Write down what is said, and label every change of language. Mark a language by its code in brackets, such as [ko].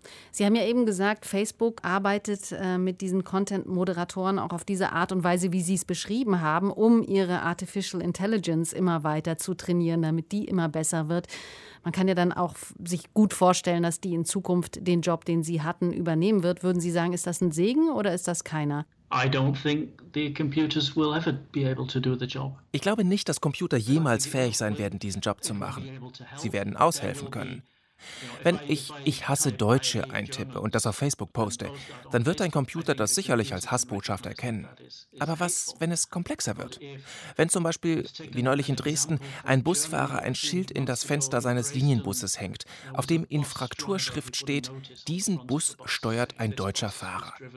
[de] Sie haben ja eben gesagt, Facebook arbeitet mit diesen Content-Moderatoren auch auf diese Art und Weise, wie Sie es beschrieben haben, um ihre Artificial Intelligence immer weiter zu trainieren, damit die immer besser wird. Man kann ja dann auch sich gut vorstellen, dass die in Zukunft den Job, den sie hatten, übernehmen wird. Würden Sie sagen, ist das ein Segen oder ist das keiner? [en] I don't think the computers will ever be able to do the job. [de] Ich glaube nicht, dass Computer jemals fähig sein werden, diesen Job zu machen. Sie werden aushelfen können. Wenn ich hasse Deutsche eintippe und das auf Facebook poste, dann wird ein Computer das sicherlich als Hassbotschaft erkennen. Aber was, wenn es komplexer wird? Wenn zum Beispiel, wie neulich in Dresden, ein Busfahrer ein Schild in das Fenster seines Linienbusses hängt, auf dem in Frakturschrift steht, diesen Bus steuert ein deutscher Fahrer.